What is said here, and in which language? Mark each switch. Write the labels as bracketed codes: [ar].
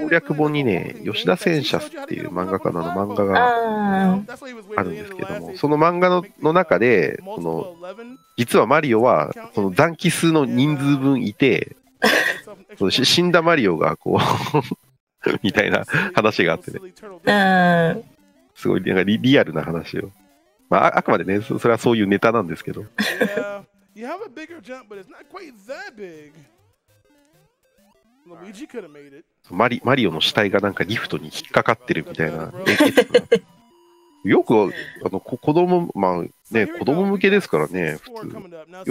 [ja] 攻略本にね、吉田戦車っていう漫画家の漫画が あるんですけども、その漫画 の中で、この実はマリオはこの残機数の人数分いて、その死んだマリオがこうみたいな話があってね。すごいなんか リアルな話を、まあ、あくまでね、それはそういうネタなんですけど。 [en] You have a bigger jump, but it's not quite that big. Luigi could have made it. [ja] マリオの死体がなんかリフトに引っかかってるみたいな。よくあの子供、まあね、子供向けですからね、普通。